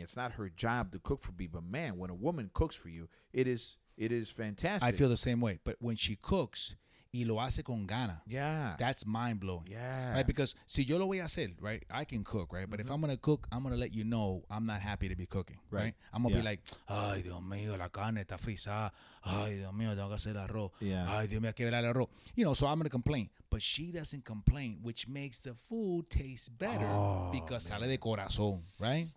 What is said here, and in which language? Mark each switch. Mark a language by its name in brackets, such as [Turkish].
[English] It's not her job to cook for me. But, man, when a woman cooks for you, it is fantastic. I feel the same way. But when she cooks, [Spanish] y lo hace con gana. [English] Yeah. That's mind-blowing. Yeah. Right? Because [Spanish] si yo lo voy a hacer, [English] right? I can cook, right? But if I'm going to cook, I'm going to let you know I'm not happy to be cooking, right? I'm going to be like, [Spanish] ay, Dios mío, la carne está frisada. Ay, Dios mío, tengo que hacer el arroz. [English] Yeah. [Spanish] Ay, Dios mío, hay que ver el arroz. [English] You know, so I'm going to complain. But she doesn't complain, which makes the food taste better because [Spanish] sale de corazón, [English] right?